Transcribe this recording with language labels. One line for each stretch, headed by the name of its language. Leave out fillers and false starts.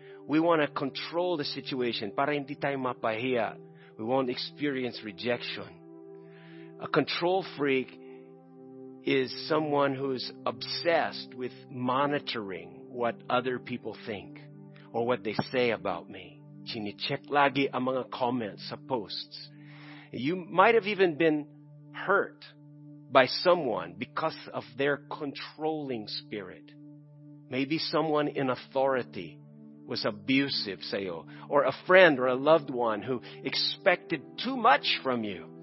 English: We want to control the situation
Filipino: para hindi tayo mapahiya.
English: We won't experience rejection. A control freak is someone who's obsessed with monitoring what other people think or what they say about me.
Filipino: Chini-check lagi ang mga comments sa posts.
English: You might have even been hurt by someone because of their controlling spirit. Maybe someone in authority was abusive sa'yo, or a friend or a loved one who expected too much from you.